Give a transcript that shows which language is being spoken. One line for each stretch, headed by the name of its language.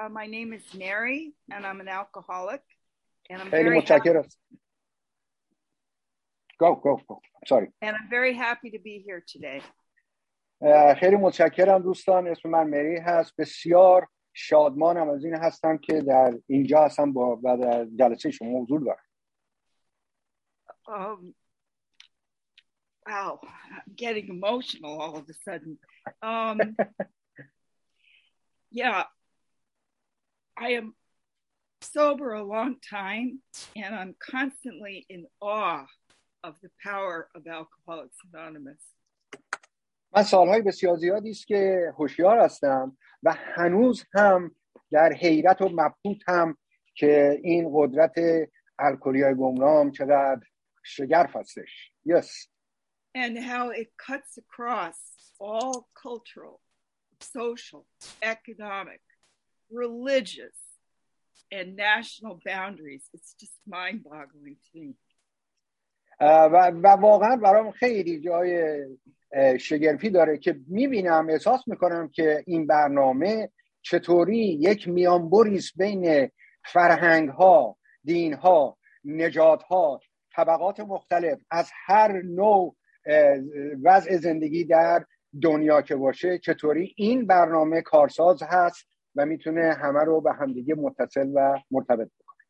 English: My name is Mary, and I'm an alcoholic. And I'm very happy. Go. Sorry. And I'm very happy to be here today.
Persian: خیلی متشکرم دوستان. اسم من مری هست. بسیار شادمانم از این هستم که در اینجا هستم با و در جلسه شما حضور دارم.
English: Wow, I'm getting emotional all of a sudden. yeah, I am sober a long time and I'm constantly in awe of the power of Alcoholics Anonymous.
Persian: من سالهای بسیار زیادی است که هوشیار هستم و هنوز هم در حیرت و مبهوتم که این قدرت الکلی‌های گمنام چقدر شگرف هستش.
English: Yes. And how it cuts across all cultural, social, economic, religious and national boundaries. It's just mind-boggling to me.
Persian: و واقعا برام خیلی جای شگرفی داره که میبینم احساس میکنم که این برنامه چطوری یک میانبریست بین فرهنگ ها، دین ها، نژاد ها، طبقات مختلف از هر نوع وضع زندگی در دنیا که باشه، چطوری این برنامه کارساز هست و میتونه همه رو به همدیگه متصل و مرتبط بکنه.